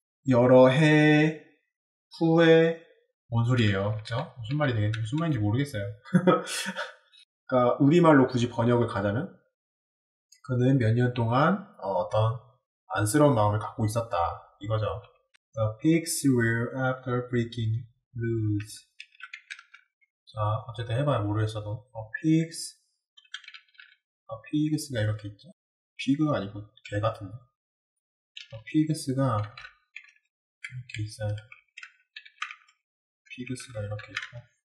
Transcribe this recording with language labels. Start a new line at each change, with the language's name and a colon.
Korean: 여러 해 후에, 뭔 소리예요? 그쵸? 무슨 말인지 모르겠어요. 그러니까 우리말로 굳이 번역을 가자면, 그는 몇년 동안 어떤 안쓰러운 마음을 갖고 있었다, 이거죠.
English: The pigs were after breaking loose.
Korean: 자, 어쨌든 해봐요, 모르겠어도. A pig's가 이렇게 있죠? pig가 아니고 개 같은데. A pig's가 이렇게 있어요. pig's가 이렇게 있고.